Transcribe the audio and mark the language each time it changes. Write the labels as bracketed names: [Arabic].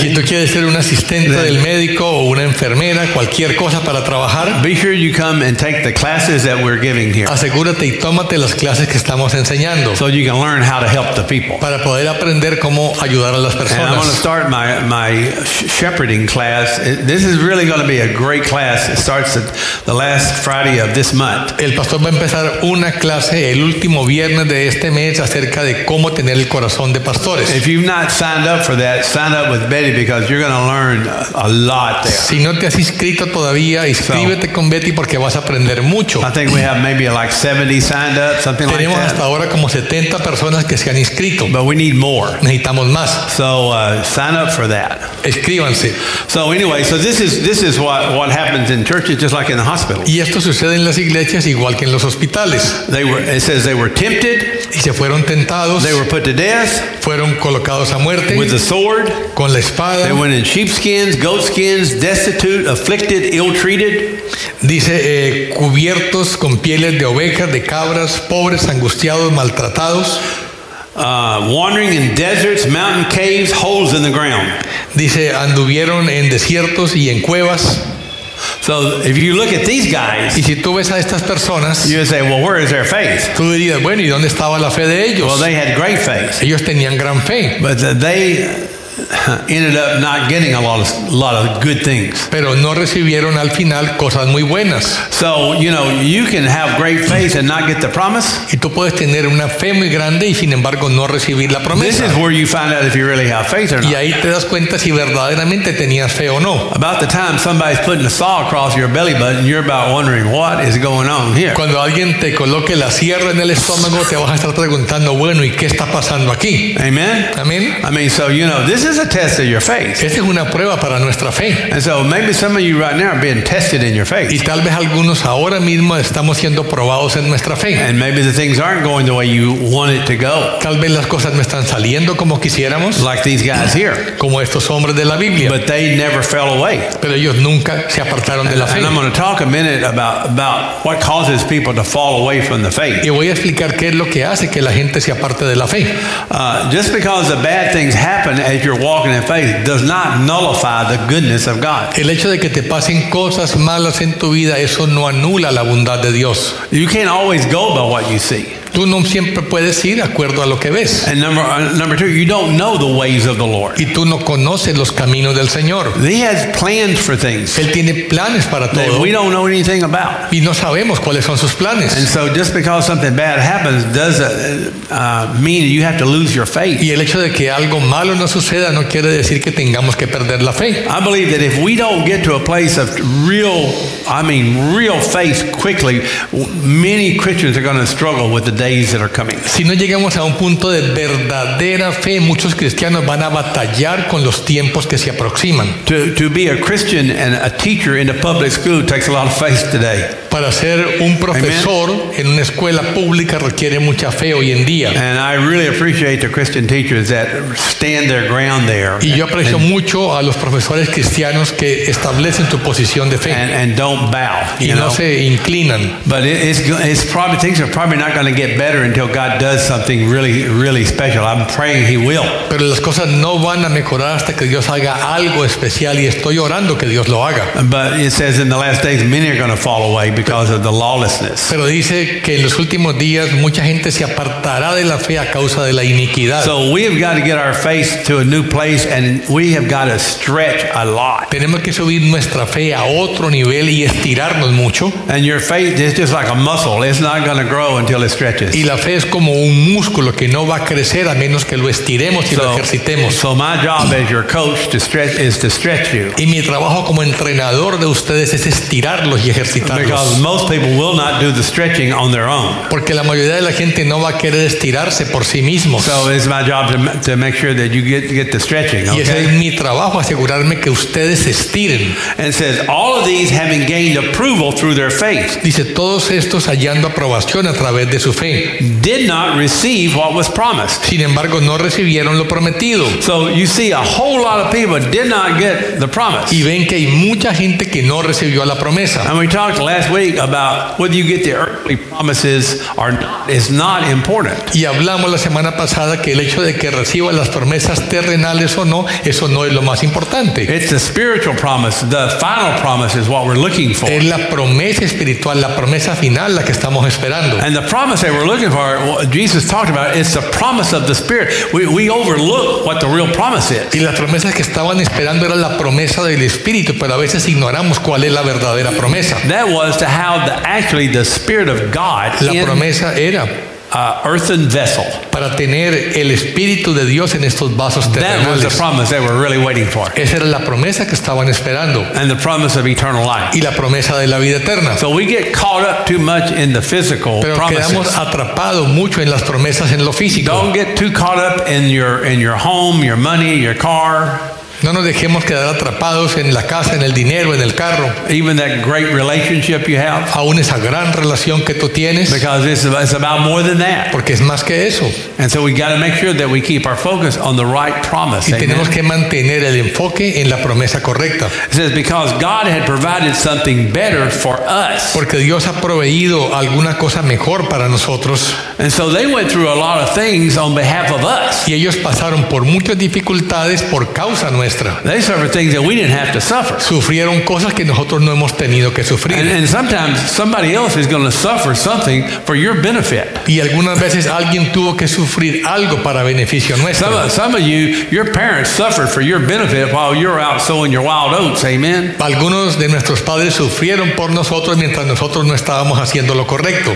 [Spanish] Y si tú quieres ser un asistente del médico o una enfermera, cualquier cosa para trabajar, [English] be sure you come and take the classes that we're giving here. [Spanish] Asegúrate y tómate las clases que estamos enseñando. [English] So you can learn how to help the people. [Spanish] Para poder aprender cómo ayudar a las personas. [English] And I'm going to start my shepherding class. This is really going to be a great class. It starts the last Friday of this month. [Spanish] El pastor va a empezar una clase el último viernes de este mes acerca de cómo tener el corazón de de pastores. [English] If you've not signed up for that, sign up with Betty because you're going to learn a lot there. [Spanish] Si no te has inscrito todavía, inscríbete con Betty porque vas a aprender mucho. [English] I think we have maybe like 70 signed up, something [Spanish] tenemos [English] like that. [Spanish] Tenemos hasta ahora como 70 personas que se han inscrito. [English] But we need more. [Spanish] Necesitamos más. [English] So sign up for that. [Spanish] Escríbanse. [English] So anyway, so this is what happens in churches, just like in the hospital. [Spanish] Y esto sucede en las iglesias igual que en los hospitales. [English] It says they were tempted. [Spanish] Y se fueron tentados. [English] They were put to death. [Spanish] Fueron colocados a muerte. [English] With the sword. [Spanish] Con la espada. [English] They went in sheepskins, goatskins, destitute, afflicted, ill-treated. [Spanish] Dice cubiertos con pieles de ovejas, de cabras, pobres, angustiados, maltratados. [English] Wandering in deserts, mountain caves, holes in the ground. [Spanish] Dice anduvieron en desiertos y en cuevas. [English] So if you look at these guys, [Spanish] y si tú ves a estas personas, [English] you would say, well, where is their faith? [Spanish] Tú dirías, bueno, ¿y dónde estaba la fe de ellos? [English] Well, they had great faith. [Spanish] Ellos tenían gran fe. [English] But they ended up not getting a lot of good things. [Spanish] Pero no recibieron al final cosas muy buenas. [English] So, you know, you can have great faith and not get the promise. [Spanish] Y tú puedes tener una fe muy grande y sin embargo no recibir la promesa. [English] This is where you find out if you really have faith or not. [Spanish] Y ahí te das cuenta si verdaderamente tenías fe o no. [English] About the time somebody's putting a saw across your belly button, you're about wondering what is going on here. [Spanish] Cuando alguien te coloque la sierra en el estómago, te vas a estar preguntando, bueno, ¿y qué está pasando aquí? [English] Amen. Amen. I mean, so you know, this is a test of your faith. [Spanish] Esta es una prueba para nuestra fe. [English] And so maybe some of you right now are being tested in your faith. [Spanish] Y tal vez algunos ahora mismo estamos siendo probados en nuestra fe. [English] And maybe the things aren't going the way you want it to go. [Spanish] Tal vez las cosas no están saliendo como quisiéramos. [English] Like these guys here. [Spanish] Como estos hombres de la Biblia. [English] But they never fell away. [Spanish] Pero ellos nunca se apartaron de la fe. [English] And I'm going to talk a minute about what causes people to fall away from the faith. [Spanish] Y voy a explicar qué es lo que hace que la gente se aparte de la fe. [English] Just because the bad things happen as you're walking in faith does not nullify the goodness of God. [Spanish] El hecho de que te pasen cosas malas en tu vida, eso no anula la bondad de Dios. [English] You can't always go by what you see. [Spanish] Tú no siempre puedes ir de acuerdo a lo que ves. [English] And number two, you don't know the ways of the Lord. [Spanish] Y tú no conoces los caminos del Señor. [English] He has plans for things. [Spanish] Él tiene planes para todo. [English] That we don't know anything about. [Spanish] Y no sabemos cuáles son sus planes. [English] And so just because something bad happens doesn't mean you have to lose your faith. [Spanish] Y el hecho de que algo malo no suceda no quiere decir que tengamos que perder la fe. [English] I believe that if we don't get to a place of real, I mean real faith quickly, many Christians are going to struggle with the days that are coming. [Spanish] Si no llegamos a un punto de verdadera fe, muchos cristianos van a batallar con los tiempos que se aproximan. [English] To be a Christian and a teacher in a public school takes a lot of faith today. [Spanish] Para ser un profesor en una escuela pública requiere mucha fe hoy en día. [English] And I really appreciate the Christian teachers that stand their ground there. [Spanish] Y yo aprecio mucho a los profesores cristianos que establecen su posición de fe. [English] And don't bow. [Spanish] Y no se inclinan. [English] But it's probably things are probably not going to get better until God does something really, really special. I'm praying He will. [Spanish] Pero las cosas no van a mejorar hasta que Dios haga algo especial y estoy orando que Dios lo haga. [English] But it says in the last days many are going to fall away because of the lawlessness. [Spanish] Pero dice que en los últimos días mucha gente se apartará de la fe a causa de la iniquidad. [English] So we have got to get our faith to a new place and we have got to stretch a lot. [Spanish] Tenemos que subir nuestra fe a otro nivel y estirarnos mucho. [English] And your faith is just like a muscle. It's not going to grow until it stretches. [Spanish] Y la fe es como un músculo que no va a crecer a menos que lo estiremos y lo ejercitemos. [English] So my job as your coach is to stretch you. [Spanish] Y mi trabajo como entrenador de ustedes es estirarlos y ejercitarlos. [English] Because most people will not do the stretching on their own. [Spanish] Porque la mayoría de la gente no va a querer estirarse por sí mismo. [English] So it's my job to make sure that you get the stretching. Okay? [Spanish] Y ese es mi trabajo, asegurarme que ustedes estiren. [English] And it says all of these having gained approval through their faith. [Spanish] Dice todos estos hallando aprobación a través de su fe. [English] Did not receive what was promised. [Spanish] Sin embargo, no recibieron lo prometido. [English] So you see a whole lot of people did not get the promise. [Spanish] Y ven que hay mucha gente que no recibió la promesa. [English] And we talked last week about whether you get the earthly promises or not is not important. [Spanish] Y hablamos la semana pasada que el hecho de que reciba las promesas terrenales o no, eso no es lo más importante. [English] It's the spiritual promise, the final promise is what we're looking for. [Spanish] Es la promesa espiritual, la promesa final la que estamos esperando. [English] And the promise that we're looking for, Jesus talked about, it's the promise of the Spirit. We overlook what the real promise is. [Spanish] Y las promesas que estaban esperando era la promesa del Espíritu, pero a veces ignoramos cuál es la verdadera promesa. [English] That was to have the Spirit of God. [Spanish] La promesa era [English] earthen vessel. [Spanish] Para tener el espíritu de Dios en estos vasos terrenales. [English] That was the promise they were really waiting for. [Spanish] Esa era la promesa que estaban esperando. [English] And the promise of eternal life. [Spanish] Y la promesa de la vida eterna. [English] So we get caught up too much in the physical [Spanish] Pero [English] promises. [Spanish] Pero quedamos atrapados mucho en las promesas en lo físico. [English] Don't get too caught up in your home, your money, your car. [Spanish] No nos dejemos quedar atrapados en la casa, en el dinero, en el carro. [English] Even that great relationship you have. [Spanish] Aún esa gran relación que tú tienes. [English] Because it's about more than that. [Spanish] Porque es más que eso. [English] And so we got to make sure that we keep our focus on the right promise. [Spanish] Y tenemos que mantener el enfoque en la promesa correcta. [English] It says because God had provided something better for us. [Spanish] Porque Dios ha proveído alguna cosa mejor para nosotros. [English] And so they went through a lot of things on behalf of us. [Spanish] Y ellos pasaron por muchas dificultades por causa nuestra. [English] They suffered things that we didn't have to suffer. [Spanish] Sufrieron cosas que nosotros no hemos tenido que sufrir. [English] And sometimes somebody else is going to suffer something for your benefit. [Spanish] Y algunas veces alguien tuvo que sufrir algo para beneficio nuestro. [English] Some of you, your parents suffered for your benefit while you're out sowing your wild oats. Amen. [Spanish] Algunos de nuestros padres sufrieron por nosotros mientras nosotros no estábamos haciendo lo correcto.